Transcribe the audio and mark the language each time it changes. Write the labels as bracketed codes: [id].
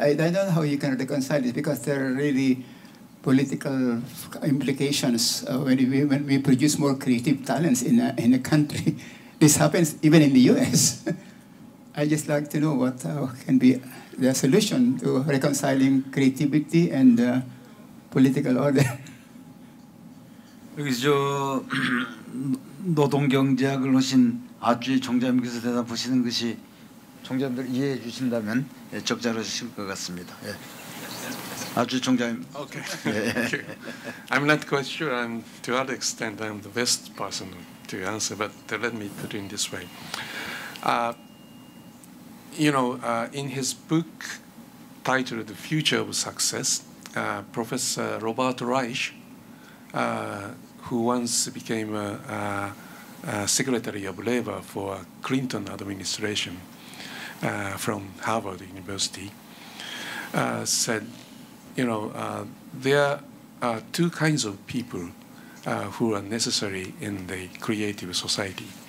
[en] I don't know how you can reconcile it because there are really political implications when we produce more creative talents in a country. This happens even in the U.S. I just like to know what can be the solution to reconciling creativity and political order. [ko] 여기서 저 노동경제학을 하신 아주의 총장님께서 대답 보시는 것이 총장님들 이해해 주신다면 예, 적절하실 것 같습니다. 예. 아주 총장님. [en] Okay. Okay. I'm not quite sure. I'm to what extent I'm the best person to answer, but let me put it in this way. You know, in his book titled "The Future of Success," Professor Robert Reich, who once became a Secretary of Labor for Clinton administration from Harvard University, said, "You know, there are two kinds of people who are necessary in the creative society.